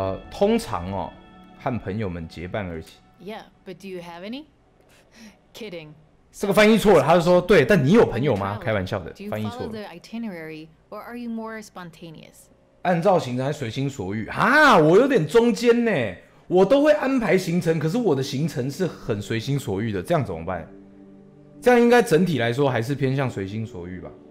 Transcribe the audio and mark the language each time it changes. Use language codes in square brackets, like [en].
[zh] 通常哦，和朋友们结伴而行。 [en] Yeah, but do you have any? Kidding. [zh] 这个翻译错了，他是说对，但你有朋友吗？开玩笑的，翻译错了。 [en] Do you follow the itinerary, or are you more spontaneous? [zh] 按照行程还随心所欲啊？我有点中间呢。我都会安排行程，可是我的行程是很随心所欲的，这样怎么办？这样应该整体来说还是偏向随心所欲吧。